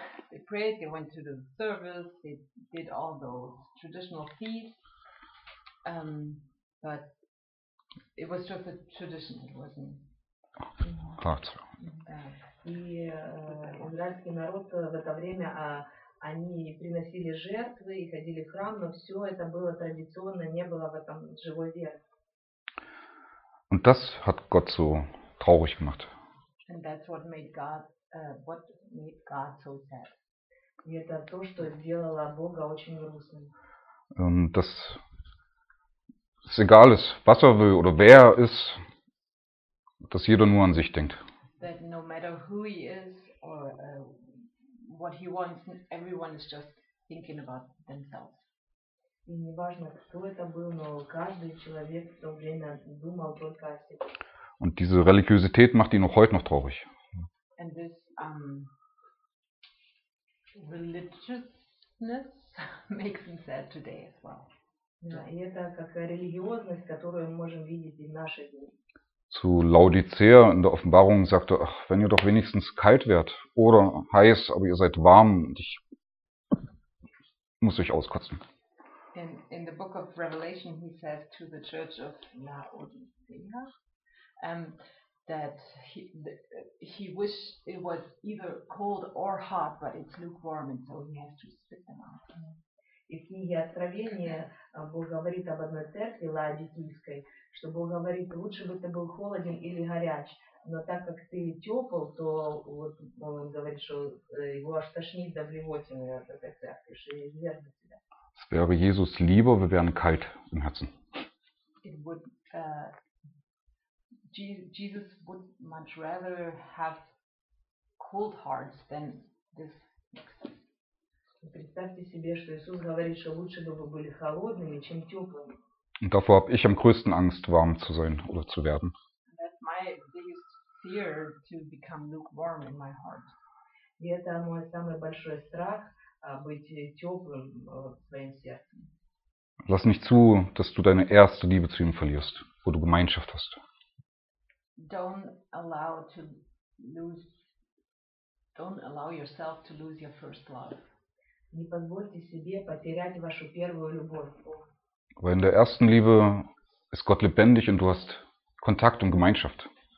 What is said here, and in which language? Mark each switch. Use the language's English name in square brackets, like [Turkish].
[English] They prayed, they went to the service, they did all those traditional feasts, but it was just a tradition, it wasn't. [German] Klar. [Russian] И израильский народ в это время они приносили жертвы и ходили в храм, но все это было традиционно, не было в этом живой веры. [German] Und das hat Gott so traurig gemacht. [English] And that's what made God, what made God so sad. [Russian] И это то, что сделало Бога очень грустным. [German] Das ist egal, was er will oder wer er ist, dass jeder nur an sich denkt. [English] That no matter who he is or what he wants, everyone is just thinking about themselves. [Russian] И не важно, кто это был, но каждый человек в то время думал только о себе. [German] Und diese Religiosität macht ihn auch heute noch traurig. [English] And this, religiousness makes him sad today as well. [Russian] Yeah. И это как религиозность, которую мы можем видеть и в наши дни. [German] Zu Laodicea in der Offenbarung sagte, ach, wenn ihr doch wenigstens kalt wärt oder heiß, aber ihr seid warm, ich muss euch auskotzen. [English] In the book of Revelation he says to the church of Laodicea, that he wish it was either cold or hot, but it's lukewarm, and so he has to spit them out. [Russian] И в книге Откровения Бог говорит об одной церкви Лаодикийской, что Бог говорит, лучше бы ты был холоден или горяч, но так как ты тепл, то вот он говорит, что его аж тошнит до блевотины от этой церкви, что не сдержит тебя. [German] Es wäre Jesus lieber, wir wären kalt im Herzen. [English] It would, Jesus would much rather have cold hearts than this. [Russian] Представьте себе, что Иисус говорит, что лучше бы вы были холодными, чем теплыми. [German] Und davor habe ich am größten Angst, warm zu sein oder zu werden. [English] That's my biggest fear, to become lukewarm in my heart. [Russian] И это мой самый большой страх, быть теплым в своем сердце. [German] Lass nicht zu, dass du deine erste Liebe zu ihm verlierst, wo du Gemeinschaft hast. [English] Don't allow yourself to lose your first love. [Russian] Не позвольте себе потерять вашу первую любовь. [German] Weil in der ersten Liebe ist Gott lebendig und du hast Kontakt und Gemeinschaft.